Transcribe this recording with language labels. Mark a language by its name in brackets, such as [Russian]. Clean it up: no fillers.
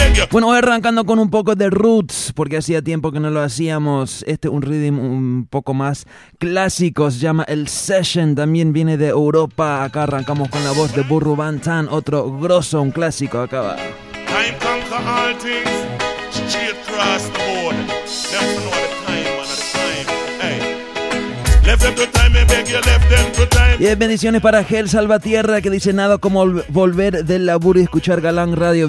[Spanish] Bueno, voy arrancando con un poco de roots, porque hacía tiempo que no lo hacíamos. Este es un rhythm un poco más clásico, se llama El Session, también viene de Europa. Acá arrancamos con la voz de Burru Bantan, otro grosso, un clásico acá va. [English] Time conquer all things, straight across the board. Never know the time, man, of the time. Hey. [Spanish] Y bendiciones para Gel Salvatierra, que dice nada como volver del laburo y escuchar Galán Radio.